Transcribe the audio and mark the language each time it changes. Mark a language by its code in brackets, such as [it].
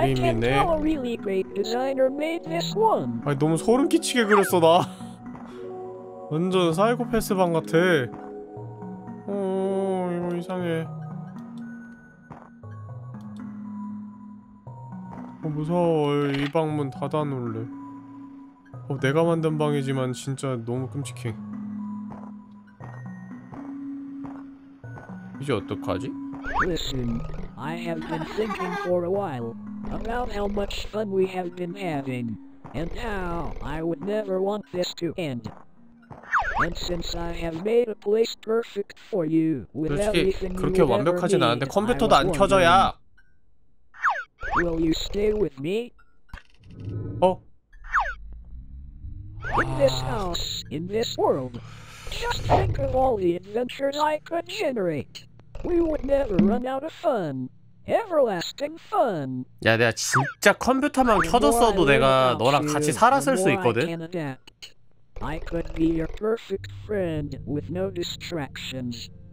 [en] I can tell a really great designer made this one. [ko] 아니 너무 소름 끼치게 그렸어 나. 완전 사이코패스 방 같아. 오 이거 이상해. 어 무서워. 이 방문 닫아 놓을래. 어 내가 만든 방이지만 진짜 너무 끔찍해. 이제 어떡하지? [en] Listen, I have been thinking for a while about how much fun we have been having and how I would never want this to end. And since I have made a place perfect for you with everything you would ever need, I was wondering, will you stay with me? 어? In this house, in this world, just think of all the adventures I could generate. We would never run out of fun. Everlasting fun. [ko] 야, 내가 진짜 컴퓨터만 켜졌어도 내가 너랑 같이 살았을 수 있거든. [en] I could be your perfect friend with no distractions.